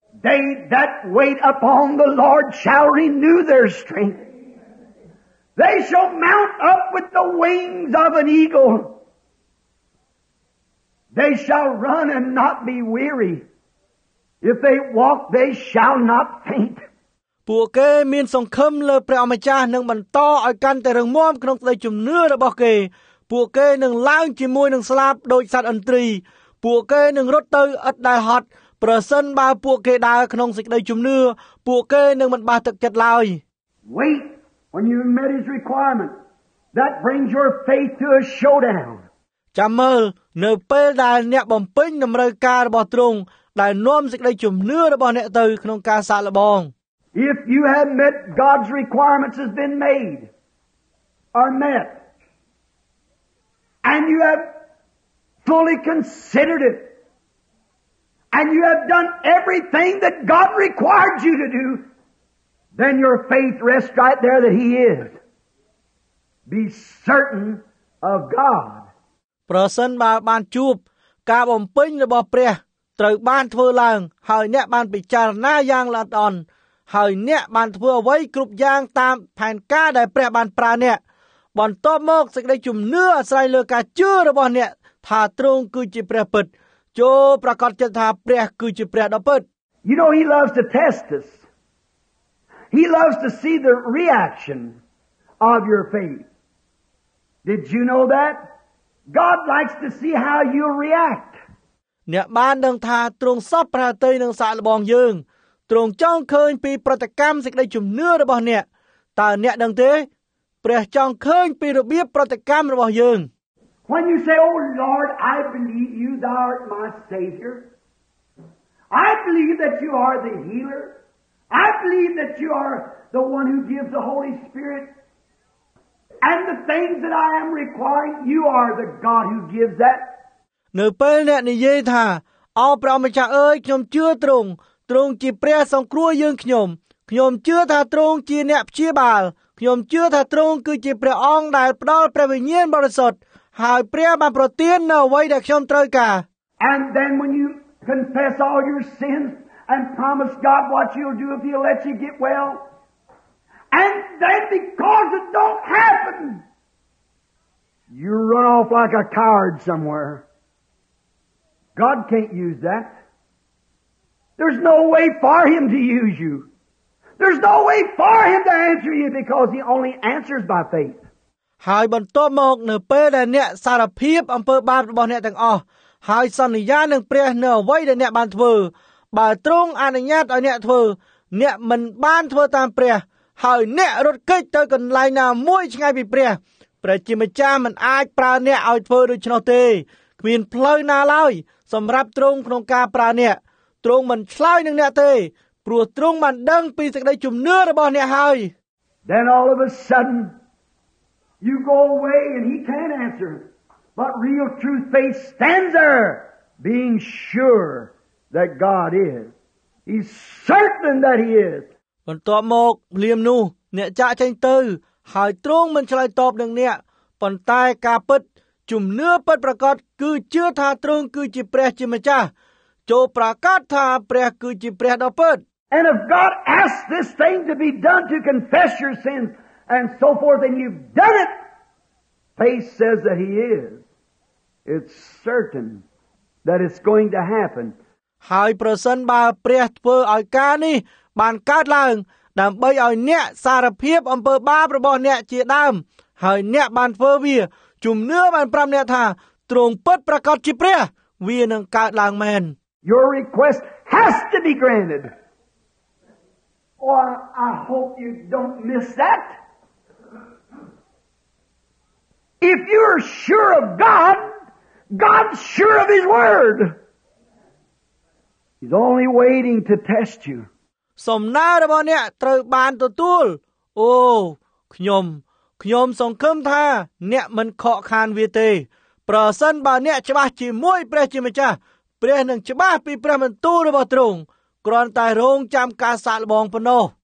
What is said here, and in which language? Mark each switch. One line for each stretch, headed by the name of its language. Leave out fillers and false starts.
English: They that wait upon the Lord shall renew their strength. They shall mount up with the wings of an eagle. They shall run and not be weary. If they walk, they shall not faint.
Khmer: ពួកគេមានសង្ឃឹមលើព្រះអម្ចាស់នឹងបន្តឲ្យកាន់តែរឹងមាំក្នុងសេចក្តីជំនឿរបស់គេពួកគេនឹងឡើងជាមួយនឹងស្លាប់ដោយសត្វអន្ទ្រីពួកគេនឹងរត់ទៅឥតដែលហត់ប្រសិនបើពួកគេដើរក្នុងសេចក្តីជំនឿពួកគេនឹងមិនបាក់ទឹកចិត្តឡើយ
English: Wait when you meet his requirement that brings your faith to a showdown
Khmer: ចាំមើលនៅពេលដែលអ្នកបំពេញតម្រូវការរបស់ទ្រង់ដែលនាំសេចក្តីជំនឿរបស់អ្នកទៅក្នុងការសាកល្បង
English: If you have met God's requirements has been made or met and you have fully considered itAnd you have done everything that God required you to do, then your faith rests right there that He is. Be certain of God.
Khmer: ប្រសិនបើបានជួបការបំពេញរបស់ព្រះត្រូវបានធ្វើឡើងហើយអ្នកបានពិចារណាយ៉ាងល្អិតល្អន់ហើយអ្នកបានធ្វើអ្វីគ្រប់យ៉ាងតាមផែនការដែលព្រះបានប្រាអ្នកបន្ទាប់មកសេចក្តីជំនឿអាស្រ័យលើការជឿរបស់អ្នកថាទ្រង់គឺជាព្រះពិតចូលប្រកាសចិត្តថាព្រះគឺជាព្រះដ៏ពិត
English: You know he loves to test us. He loves to see the reaction of your faith. Did you know that? God likes to see how you react.
Khmer: អ្នកបានដឹងថាទ្រង់សពប្រតិនឹងសាកល្បងយើងទ្រង់ចង់ឃើញពីប្រតិកម្មសេចក្តីជំនឿរបស់អ្នកតើអ្នកដឹងទេព្រះចង់ឃើញពីរបៀបប្រតិកម្មរបស់យើង
English: When you say, Oh Lord, I believe you, thou art my Savior. I believe that you are the healer. I believe that you are the one who gives the Holy Spirit. And the things that I am requiring, you are the God who gives that.
Khmer: នៅពេលអ្នកនិយាយថាអោព្រះម្ចាស់អើយខ្ញុំជឿទ្រង់ទ្រង់ជាព្រះសង្គ្រោះយើងខ្ញុំខ្ញុំជឿថាទ្រង់ជាអ្នកព្យាបាលខ្ញុំជឿថាទ្រង់គឺជាព្រះអង្គដែលផ្ដល់ព្រះវិញ្ញាណបរិសុទ្ធហើយព្រះបានប្រទាននូវអ្វីដែលខ្ញុំត្រូវការ
English: And then when you confess all your sins and promise God what you'll do if he lets you get well and then because it don't happen you run off like a coward somewhere God can't use that There's no way for him to use you There's no way for him to answer you because he only answers by faith
Khmer: ហើយបន្តមកនៅពេលដែលអ្នកសារភាពអំពើបាបរបស់អ្នកទាំងអស់ហើយសន្យានឹងព្រះនៅអ្វីដែលអ្នកបានធ្វើបើទ្រង់អនុញ្ញាតឲ្យអ្នកធ្វើអ្នកមិនបានធ្វើតាមព្រះហើយអ្នករត់គេចទៅកន្លែងណាមួយឆ្ងាយពីព្រះព្រះជាម្ចាស់មិនអាចប្រើអ្នកឲ្យធ្វើដូច្នោះទេ្មានផ្លូវណាឡើយសម្រាប់ទ្រង់ក្នុងការប្រើអ្នកទ្រង់មិនឆ្លើយនឹងអ្នកទេព្រោះទ្រង់បានដឹងពីសេចក្តីជំនឿរបស់អ្នកហើយ
English: Then all of a sudden you go away and he can't answer but real true faith stands there being sure that God is he's certain that he is
Khmer: បន្ទាប់មកភ្លាមនោះអ្នកចាក់ចេញទៅហើយទ្រង់មិនឆ្លើយតបនឹងអ្នកប៉ុន្តែការពិតជំនឿពិតប្រាកដគឺជឿថាទ្រង់គឺជាព្រះជាម្ចាស់ចូលប្រកាសថាព្រះគឺជាព្រះដ៏ពិត
English: And if God asks this thing to be done to confess your sins and so forth and you've done it faith says that he is it's certain that it's going to happen
Khmer: ហើយប្រសិនបើព្រះធ្វើឲ្យការនេះបានកើតឡើងដើម្បីឲ្យអ្នកសារភាពអំពើបាបរបស់អ្នកជាដើមហើយអ្នកបានធ្វើវាជំនឿបានប្រាប់អ្នកថាទ្រង់ពិតប្រាកដជាព្រះវានឹងកើតឡើងមែន
English: Your request has to be granted. Oh, I hope you don't miss that. If you're sure of God, God's sure of his word. He's only waiting to test you.
Khmer: សំណើរបស់អ្នកត្រូវបានទទួលអូខ្ញុំសង្ឃឹមថាអ្នកមិនខកខានវាទេប្រសិនបើអ្នកច្បាស់ជាមួយព្រះជាម្ចាស់ព្រះនឹងច្បាស់ពីព្រះបន្ទូលរបស់ទ្រង់គ្រាន់តែរងចាំការសាកល្បងប៉ុណ្ណោះ